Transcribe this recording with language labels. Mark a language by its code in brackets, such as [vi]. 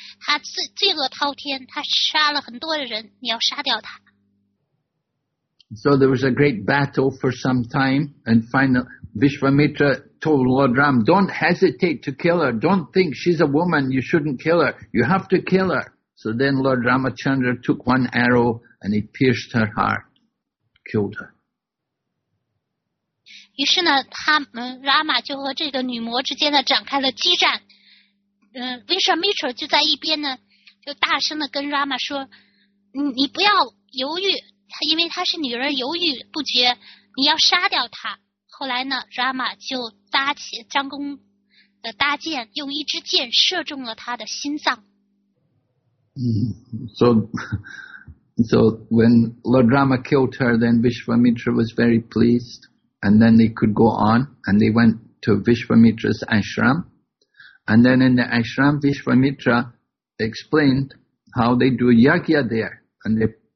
[zh] 她罪恶滔天，她杀了很多的人，你要杀掉她。 [en] So there was a great battle for some time, and finally Vishwamitra told Lord Ram, don't hesitate to kill her. Don't think she's a woman, you shouldn't kill her. You have to kill her. So then Lord Ramachandra took one arrow and he pierced her heart, killed her. [zh] 于是呢，他拉玛就和这个女魔之间的展开了激战。 Vishwamitra 就在一边呢，就大声的跟拉玛说，你不要犹豫。因为她是女人，犹豫不决，你要杀掉她。后来呢 ，Rama 就搭起张弓的搭箭，用一支箭射中了她的心脏。 [en] So when Lord Rama killed her, then Vishwamitra was very pleased, and then they could go on, and they went to Vishwamitra's ashram, and then in the ashram, Vishwamitra explained how they do yagya there, and they.